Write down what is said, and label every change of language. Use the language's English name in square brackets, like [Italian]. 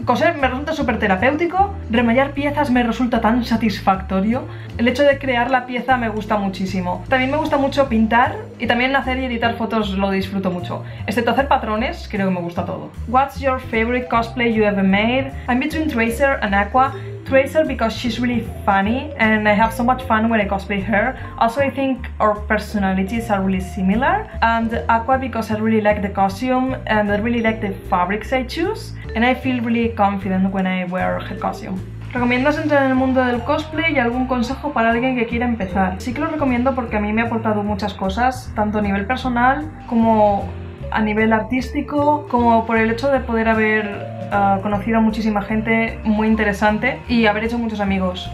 [Spanish] Coser me resulta súper terapéutico. Remallar piezas me resulta tan satisfactorio. El hecho de crear la pieza me gusta muchísimo. También me gusta mucho pintar y también hacer y editar fotos lo disfruto mucho. Excepto hacer patrones, creo que me gusta todo. [English] What's your favorite cosplay you ever made? I'm between Tracer and Aqua. Tracer because she's really funny and I have so much fun when I cosplay her. Also I think our personalities are really similar. And Aqua because I really like the costume and I really like the fabrics I choose. And I feel really confident when I wear her costume. [Spanish] ¿Recomiendas entrar en el mundo del cosplay y algún consejo para alguien que quiera empezar? Sí que lo recomiendo porque a mí me ha aportado muchas cosas, tanto a nivel personal como a nivel artístico, como por el hecho de poder haber conocido a muchísima gente muy interesante y haber hecho muchos amigos.